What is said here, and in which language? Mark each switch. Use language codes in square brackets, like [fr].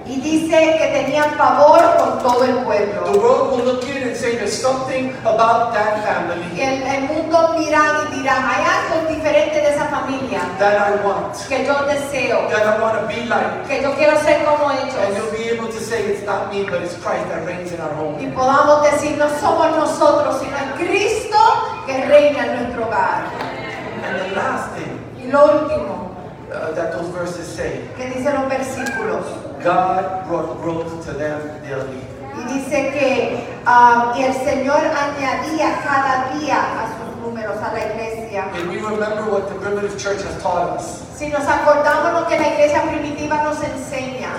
[es] Y dice que tenían favor con todo el pueblo. [en] The world will look at it and say there's something about that family. [es] El mundo mira y dirá hay algo diferente de esa familia. [en] That I want. [es] Que yo deseo. [en] That I want to be like. [es] Que yo quiero ser como ellos. [en] And you'll be able to say it's not me, but it's Christ that reigns in our home. [es] Y podamos decir no somos nosotros, sino el Cristo que reina en nuestro hogar. [en] And the last thing. [es] Y lo último. [en] That those verses say. [es] Que dicen los versículos. [en] God brought growth to them daily. [es] Y dice que y el Señor añadía cada día a sus números a la iglesia. [en] And we remember what the primitive church has taught us. [es] Si nos acordamos lo que la iglesia primitiva nos enseña.